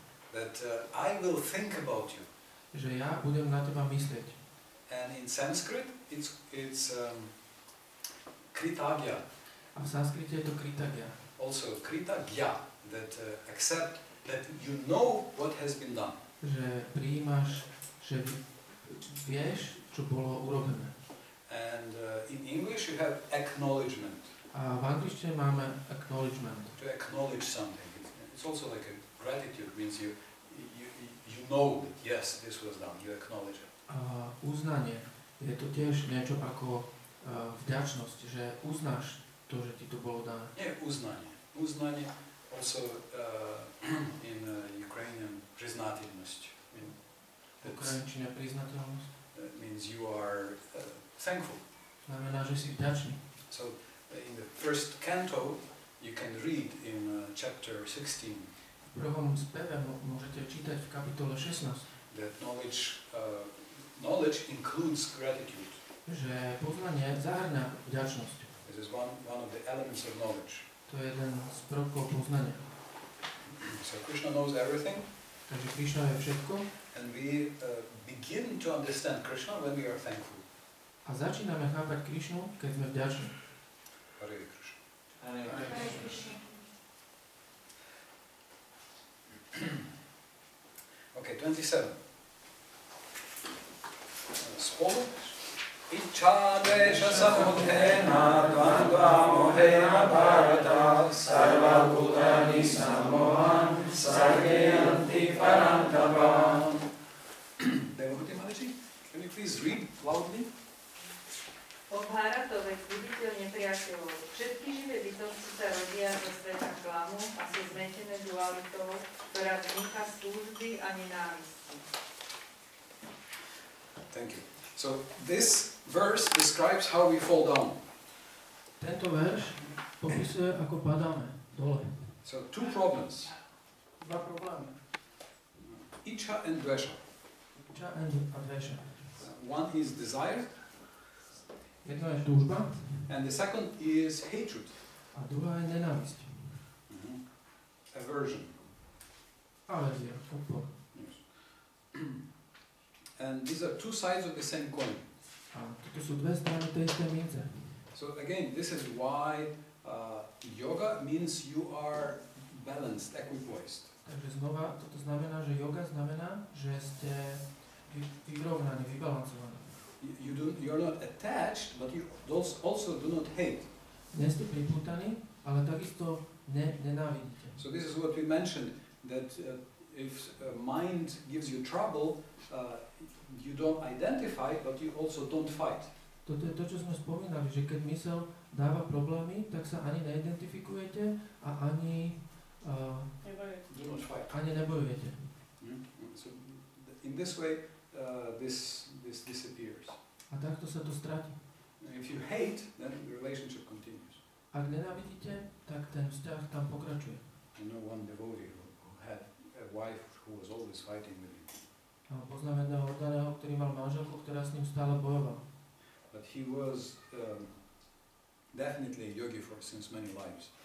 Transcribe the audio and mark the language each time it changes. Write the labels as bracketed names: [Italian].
[English] That I will think about you. [Slovak] Že ja budem na teba myslieť. [English] And in Sanskrit it's kritagya. [Slovak] A v sanskrite je to kritagya. [English] Also kritagya, that accept that you know what has been done. [Slovak] Že prijímaš, že vieš, čo bolo urobené. [English] And in English you have acknowledgement. [Slovak] A v angličtine máme acknowledgement. [English] To acknowledge something. It's also like a gratitude, means you know that yes, this was done, you acknowledge it. [Slovak] A uznanie je to tiež niečo ako vďačnosť, že uznáš to, že ti to bolo dané. Nie, uznanie. Uznanie [English] also in Ukrainian [Slovak] priznatelnosť. Ukrajinčine priznatelnosť. [English] That means you are thankful. [Slovak] Znamená, že si vďačný. [English] So in the first canto you can read in chapter 16. [Slovak] V prvom speve môžete čítať v kapitole 16. [English] That knowledge includes gratitude. [Slovak] Že poznanie zahŕňa vďačnosť. [English] This is one of the elements of knowledge. [Slovak] To je jeden z prvkov poznania. [English] So Krishna knows everything. [Slovak] Takže Krishna vie všetko. [English] And we begin to understand Krishna when we are thankful. [Slovak] A začíname chápať Krishnu, keď sme vďační. [Sanskrit] Hare Krishna. Hare Krishna. [English] Okay, 27. [Sanskrit] Spolu. Ichadesha samudhena dvandva mohena bharata sarva bhutani sammohan sarve anti parantapa. [English] Devahuti Maharaji, can you please read loudly? [Slovak] O Bharatove, buditeľ nepriateľov, všetky živé bytosti sa rodia zo sveta klamu a sú zmetené dualitou, ktorá vzniká z túžby a nenávisti. [English] Thank you. So this verse describes how we fall down. [Slovak] Tento verš popisuje, ako padáme dole. [English] So two problems. [Slovak] Dva problémy. [English] Ichha and dvesha. Ichha and dvesha. One is desire. [Slovak] Jedno je túžba. [English] And the second is hatred. [Slovak] A druhá je nenávisť. [English] Mm-hmm. Aversion. [Slovak] Averzia, odpor. [English] Yes. And these are two sides of the same coin. [Slovak] To sú dve strany tej istej mince. [English] So again, this is why yoga means you are balanced, equipoised. [Slovak] Takže znova, toto znamená, že yoga znamená, že ste vyrovnaní, vybalancovaní. [English] You're not attached, but you also do not hate. [Slovak] Nie ste pripútaní, ale takisto nenávidíte. [English] So this is what we mentioned, that if mind gives you trouble, you don't identify, but you also don't fight. [Slovak] Toto je to, čo sme spomínali, že keď mysel dáva problémy, tak sa ani neidentifikujete a ani nebojujete. [English] So in this way this disappears. [Slovak] A takto sa to stráti. [English] If you hate, then the relationship continues. [Slovak] Ak nenávidíte, tak ten vzťah tam pokračuje. [English] I know one devotee who had a wife who was always fighting with him. [Slovak] A poznám jedného oddaného, ktorý mal manželku, ktorá s ním stále bojovala. [English] But he was definitely a yogi for since many lives.